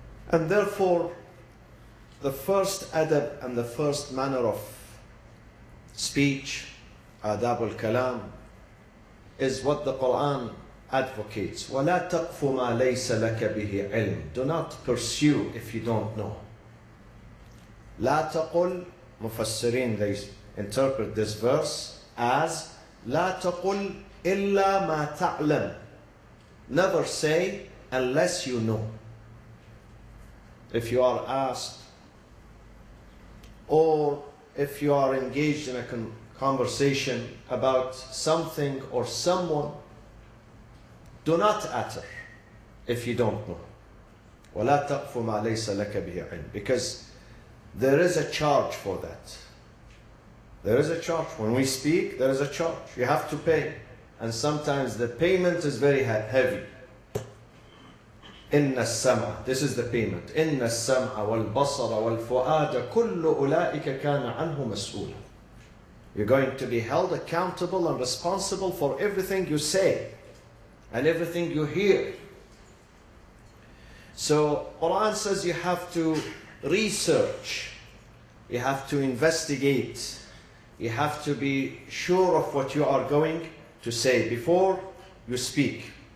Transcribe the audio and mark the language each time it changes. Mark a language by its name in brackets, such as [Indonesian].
[English] And therefore, the first adab and the first manner of speech, adab al-kalam, is what the Quran advocates. [Arabic] وَلَا تَقْفُ مَا لَيْسَ لَكَ بِهِ عِلْمٍ. [English] Do not pursue if you don't know. [Arabic] لَا تَقُلْ مُفَسِّرِين, [English] they interpret this verse as [Arabic] لَا تَقُلْ إِلَّا مَا تَعْلَمْ. [English] Never say unless you know. If you are asked, or if you are engaged in a conversation about something or someone, do not utter if you don't know. [Arabic] وَلَا تَقْفُ مَا لَيْسَ لَكَ بِهِ عِلْمٍ, [English] because there is a charge for that. There is a charge. When we speak, there is a charge. You have to pay. And sometimes the payment is very heavy. [Arabic] إِنَّ السَّمْعَ, [English] this is the payment. [Arabic] إِنَّ السَّمْعَ وَالْبَصَرَ وَالْفُؤَادَ كُلُّ أُولَٰئِكَ كَانَ عَنْهُ مَسْؤُولًا. [English] You're going to be held accountable and responsible for everything you say and everything you hear. So Quran says you have to research, you have to investigate, you have to be sure of what you are going to say before you speak.